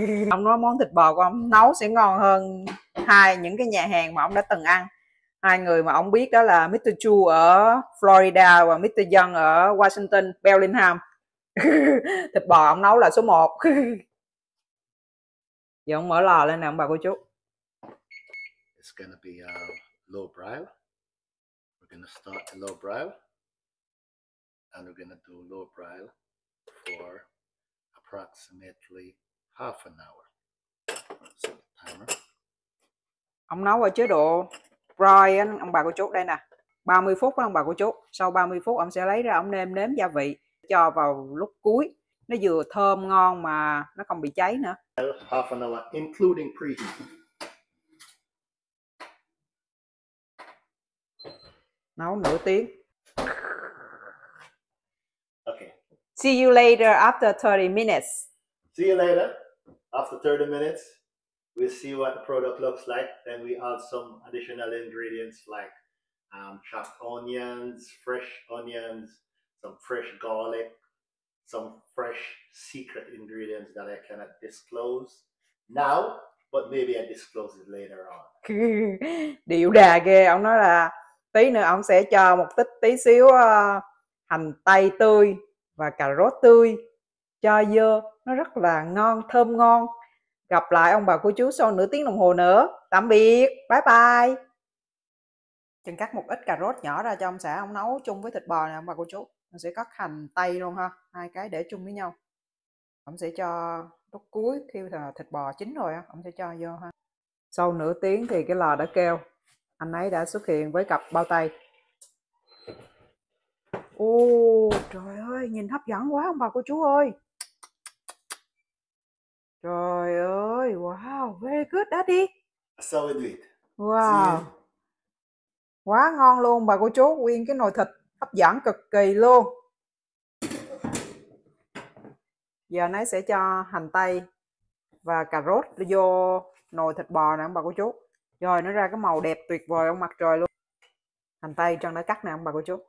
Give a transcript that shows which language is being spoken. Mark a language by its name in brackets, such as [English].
[Vietnamese] Ông nói món thịt bò của ông nấu sẽ ngon hơn hai những cái nhà hàng mà ông đã từng ăn. Hai người mà ông biết đó là Mr. Chu ở Florida và Mr. Young ở Washington, Bellingham. Thịt bò ông nấu là số 1. Giờ ông mở lò lên nè ông bà cô chú. [English] It's gonna be low broil. We're gonna start the low broil. And we're gonna do low broil for approximately half an hour. Set the timer. [Vietnamese] Ông nấu ở chế độ broil ấy, ông bà cô chú đây nè. 30 phút đó ông bà cô chú. Sau 30 phút ông sẽ lấy ra ông nêm nếm gia vị cho vào lúc cuối. Nó vừa thơm ngon mà nó không bị cháy nữa. [English] Half an hour, including preheat. [Vietnamese] Nấu nửa tiếng. [English] Okay. See you later after 30 minutes. See you later after 30 minutes. We'll see what the product looks like. Then we add some additional ingredients like chopped onions, fresh onions, some fresh garlic. Some fresh secret ingredients that I cannot disclose now, but maybe I disclose it later on. [Vietnamese] Điệu đà ghê, ông nói là tí nữa ông sẽ cho một tí tí xíu hành tây tươi và cà rốt tươi cho vô, nó rất là ngon, thơm ngon. Gặp lại ông bà cô chú sau nửa tiếng đồng hồ nữa. Tạm biệt, [English] bye bye. [Vietnamese] Chừng cắt một ít cà rốt nhỏ ra cho ông xã ông nấu chung với thịt bò này ông bà cô chú. Mình sẽ cắt hành tây luôn ha, hai cái để chung với nhau. Ông sẽ cho lúc cuối khi thịt bò chín rồi ha, ông sẽ cho vô ha. Sau nửa tiếng thì cái lò đã kêu, anh ấy đã xuất hiện với cặp bao tay. Ô trời ơi, nhìn hấp dẫn quá ông bà cô chú ơi. Trời ơi, [English] wow, very good daddy. So we do it. Wow. [Vietnamese] Quá ngon luôn bà cô chú, nguyên cái nồi thịt hấp dẫn cực kỳ luôn. Giờ nãy sẽ cho hành tây và cà rốt vô nồi thịt bò nè ông bà cô chú. Rồi nó ra cái màu đẹp tuyệt vời ông mặt trời luôn. Hành tây Trân đã cắt nè ông bà cô chú.